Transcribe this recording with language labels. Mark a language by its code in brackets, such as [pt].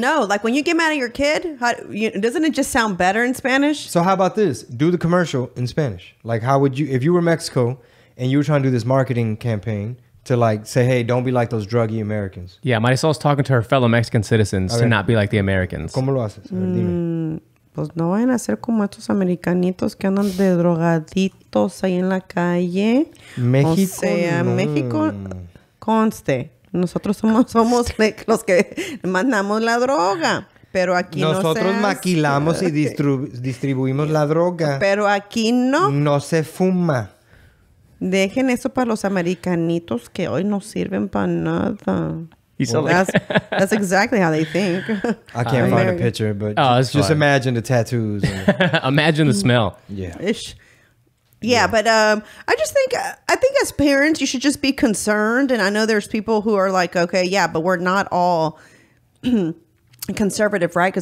[en] No, like when you get mad at your kid, doesn't it just sound better in Spanish? So how about this? Do the commercial in Spanish. Like how would you, if you were Mexico and you were trying to do this marketing campaign to like say, hey, don't be like those druggy Americans. Yeah, Marisol's talking to her fellow Mexican citizens to not be like the Americans. [es] ¿Cómo lo haces? A ver, dime. Pues no vayan a ser como estos americanitos que andan de drogaditos ahí en la calle. México. O sea, no. México, conste. Nosotros somos los que mandamos la droga. Pero aquí nosotros no se maquilamos y distribuimos la droga. Pero aquí no. No se fuma. Dejen eso para los americanitos que hoy no sirven para nada. [en] Well, that's exactly how they think. I can't find a picture, but just imagine the tattoos. Imagine the smell. Yeah. But I think as parents, you should just be concerned. And I know there's people who are like, okay, yeah, but we're not all conservative, right?